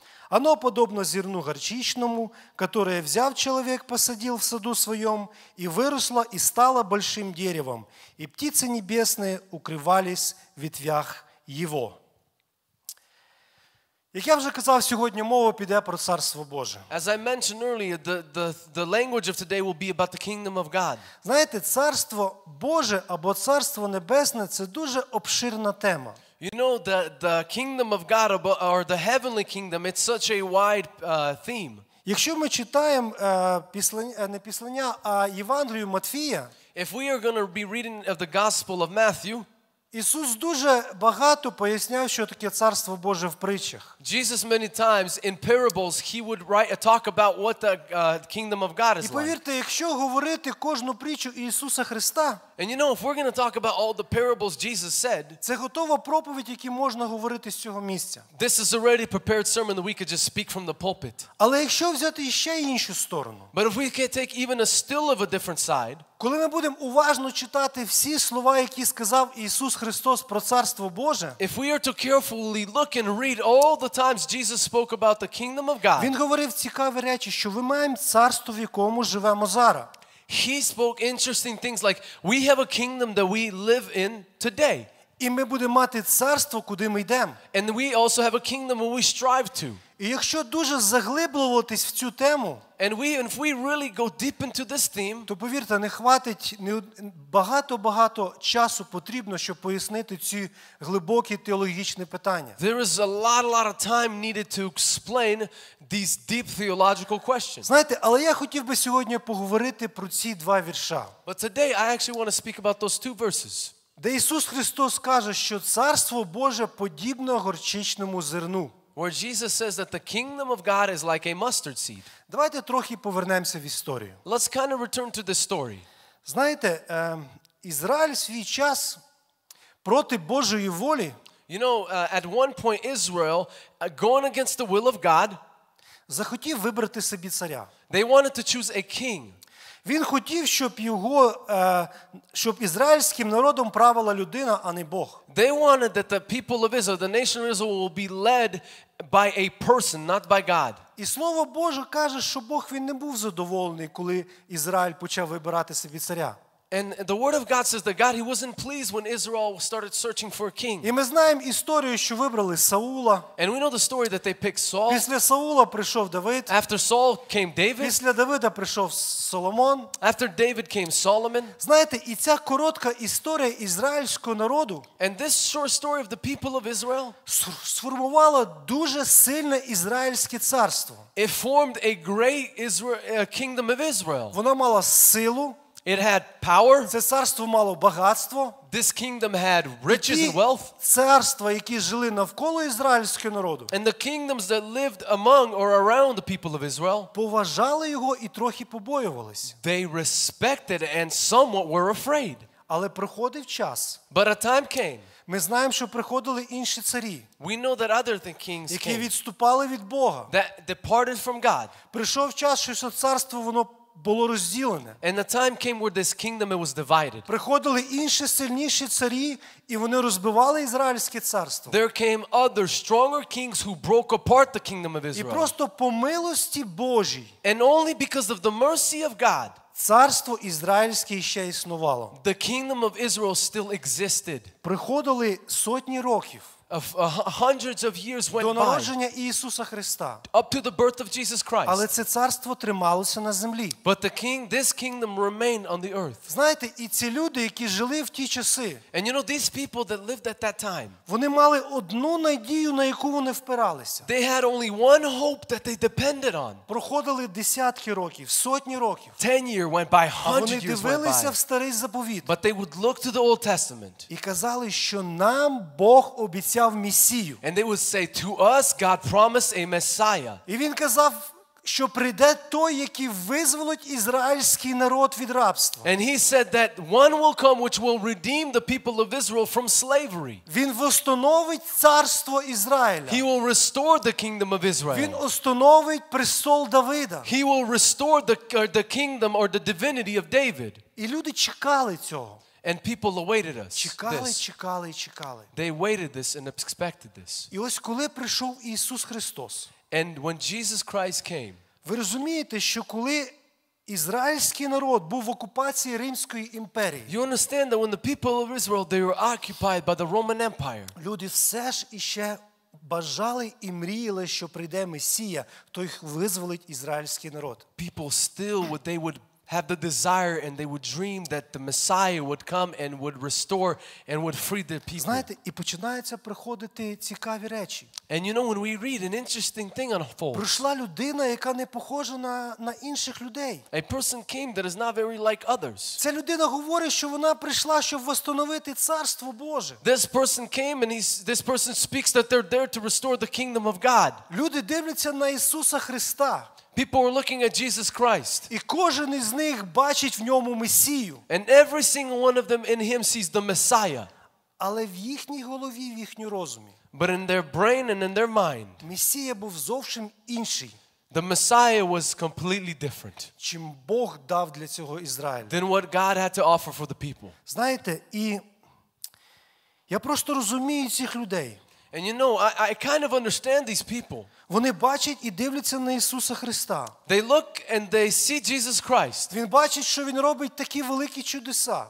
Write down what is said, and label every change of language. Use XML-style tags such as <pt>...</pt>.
<ru>Оно подобно зерну горчичному, которое взяв человек, посадил в саду своем, и выросло, и стало большим деревом, и птицы небесные укрывались в ветвях его.</ru> <uk>Як я вже казав, сьогодні мова піде про царство Боже.</uk> <en>As I mentioned earlier, the language of today will be about the kingdom of God.</en> <uk>Знаєте, царство Боже або царство небесне — це дуже обширна тема.</uk> <en>You know that the kingdom of God or the heavenly kingdom, it's such a wide theme.</en> <uk>Якщо ми читаємо не Післання, а Євангелію Матфія,</uk> <en>if we are going to be reading of the Gospel of Matthew,</en> <uk>Ісус дуже багато поясняв, що таке царство Боже в притчах.</uk> <en>Jesus many times in parables he would write a talk about what the kingdom of God is.</en> <uk>І повірте, якщо говорити кожну притчу Ісуса Христа,</uk> <en>and you know, if we're going to talk about all the parables Jesus said,</en> <uk>це готова проповідь, яку можна говорити з цього місця.</uk> <en>This is already prepared sermon that we could just speak from the pulpit.</en> <uk>Але якщо взяти ще іншу сторону,</uk> <en>but if we could take even a still of a different side,</en> <uk>коли ми будемо уважно читати всі слова, які сказав Ісус Христос про царство Боже,</uk> <en>if we are to carefully look and read all the times Jesus spoke about the kingdom of God,</en> <uk>він говорив цікаві речі, що ви маємо царство, в якому живемо зараз.</uk> <en>He spoke interesting things like, we have a kingdom that we live in today.</en> <uk>І ми будемо мати царство, куди ми йдемо.</uk> <en>And we also have a kingdom where we strive to.</en> <uk>І якщо дуже заглиблюватись в цю тему,</uk> <en>and we, if we really go deep into this theme,</en> <uk>то повірте, не хватить багато-багато часу потрібно, щоб пояснити ці глибокі теологічні питання.</uk> <en>There is a lot of time needed to explain these deep theological questions.</en> <uk>Знаєте, але я хотів би сьогодні поговорити про ці два вірша.</uk> <en>But today I actually want to speak about those two verses.</en> <uk>Де Ісус Христос каже, що царство Боже подібно горчичному зерну.</uk> <en>Where Jesus says that the kingdom of God is like a mustard seed.</en> <uk>Давайте трохи повернемося в історію.</uk> <en>Let's kind of return to the story.</en> <uk>Знаєте, Ізраїль свій час проти Божої волі,</uk> <en>you know, at one point Israel going against the will of God,</en> <uk>захотів вибрати собі царя.</uk> <en>They wanted to choose a king.</en> <uk>Він хотів, щоб його, щоб ізраїльським народом правила людина, а не Бог.</uk> <en>They wanted that the people of Israel, the nation of Israel, will be led by a person, not by God.</en> <uk>І слово Боже каже, що Бог він не був задоволений, коли Ізраїль почав вибирати собі царя.</uk> <en>And the word of God says that God, he wasn't pleased when Israel started searching for a king.</en> <uk>І ми знаємо історію, що вибрали Саула.</uk> <en>And we know the story that they picked Saul.</en> <uk>Після Саула прийшов Давид.</uk> <en>After Saul came David.</en> <uk>Після Давида прийшов Соломон.</uk> <en>After David came Solomon.</en> <uk>Знаєте, і ця коротка історія ізраїльського народу,</uk> <en>and this short story of the people of Israel,</en> <uk>сформувала дуже сильне ізраїльське царство.</uk> <en>It formed a great kingdom of Israel.</en> <uk>Воно мало силу.</uk> <en>It had power.</en> <uk>Це царство мало багатство.</uk> <en>This kingdom had riches and wealth.</en> <uk>Царства, які жили навколо ізраїльського народу,</uk> <en>and the kingdoms that lived among or around the people of Israel,</en> <uk>поважали його і трохи побоювались.</uk> <en>They respected and somewhat were afraid.</en> <uk>Але приходив час.</uk> <en>But a time came.</en> <uk>Ми знаємо, що приходили інші царі,</uk> <en>we know that other kings</en> <uk>які</uk> <en>came,</en> <uk>відступали від Бога.</uk> <en>That departed from God.</en> <uk>Прийшов час, що царство воно було розділене.</uk> <en>And the time came where this kingdom it was divided.</en> <uk>Приходили інші сильніші царі, і вони розбивали ізраїльське царство.</uk> <en>There came other stronger kings who broke apart the kingdom of Israel.</en> <uk>І просто по милості Божій,</uk> <en>and only because of the mercy of God,</en> <uk>царство ізраїльське ще існувало.</uk> <en>The kingdom of Israel still existed.</en> <uk>Приходили сотні років.</uk> <en>Of hundreds of years went by.</en> <uk>До народження Ісуса Христа.</uk> <en>Up to the birth of Jesus Christ.</en> <uk>Але це царство трималося на землі.</uk> <en>But this kingdom remained on the earth.</en> <uk>Знаєте, і ці люди, які жили в ті часи,</uk> <en>and you know, these people that lived at that time,</en> <uk>вони мали одну надію, на яку вони впиралися.</uk> <en>They had only one hope that they depended on.</en> <uk>Проходили десятки років, сотні років.</uk> <en>10 years went by, hundreds years went by.</en> <uk>Вони дивилися в Старий Заповіт.</uk> <en>But they would look to the Old Testament.</en> <uk>І казали, що нам Бог обіцяв.</uk> <en>And they would say, to us, God promised a Messiah.</en> <uk>І він казав, що прийде той, який визволить ізраїльський народ від рабства.</uk> <en>And he said that one will come which will redeem the people of Israel from slavery.</en> <uk>Він встановить царство Ізраїля.</uk> <en>He will restore the kingdom of Israel.</en> <uk>Він встановить престол Давида.</uk> <en>He will restore the kingdom or the divinity of David.</en> <uk>І люди чекали цього.</uk> <en>And people awaited us.</en> <uk>Чекали.</uk> <en>They waited this and expected this.</en> <uk>І ось коли прийшов Ісус Христос.</uk> <en>And when Jesus Christ came.</en> <uk>Ви розумієте, що коли ізраїльський народ був в окупації Римської імперії.</uk> <en>You understand that when the people of Israel they were occupied by the Roman Empire.</en> <uk>Люди все ж іще бажали і мріяли, що прийде Месія, той визволить ізраїльський народ.</uk> <en>People still would, they would have the desire and they would dream that the Messiah would come and would restore and would free the people.</en> <uk>Знаєте, і починаються приходити цікаві речі.</uk> <en>And you know when we read an interesting thing unfolds.</en> <uk>Прийшла людина, яка не похожа на інших людей.</uk> <en>A person came that is not very like others.</en> <uk>Ця людина говорить, що вона прийшла, щоб встановити царство Боже.</uk> <en>This person came and this person speaks that they're there to restore the kingdom of God.</en> <uk>Люди дивляться на Ісуса Христа.</uk> <en>People are looking at Jesus Christ.</en> <uk>І кожен із них бачить в ньому Месію.</uk> <en>And every single one of them in him sees the Messiah.</en> <uk>Але в їхній голові, в їхньому розумі.</uk> <en>But in their brain and in their mind.</en> <uk>Месія був зовсім інший.</uk> <en>The Messiah was completely different.</en> <uk>Чим Бог дав для цього Ізраїлю.</uk> <en>Than what God had to offer for the people.</en> <uk>Знаєте, і я просто розумію цих людей.</uk> <en>And you know, I kind of understand these people.</en> <uk>Вони бачать і дивляться на Ісуса Христа.</uk> <en>They look and they see Jesus Christ.</en> <uk>Він бачить, що він робить такі великі чудеса.</uk>